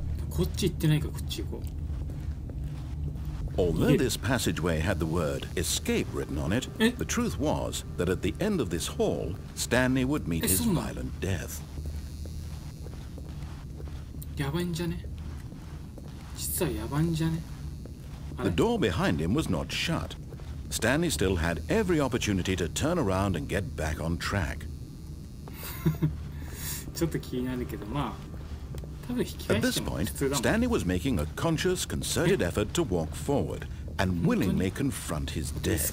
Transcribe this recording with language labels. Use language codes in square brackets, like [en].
[ja] こっち行ってないか、こっち行こう。 [en] Although this passageway had the word escape written on it, the truth was that at the end of this hall, Stanley would meet his violent death. [ja] やばいんじゃね？実はやばいんじゃね？ [en] The door behind him was not shut. Stanley still had every opportunity to turn around and get back on track. [ja] ちょっと気になるけど、まあ。 [en] At this point, Stanley was making a conscious, concerted effort to walk forward and willingly confront his death.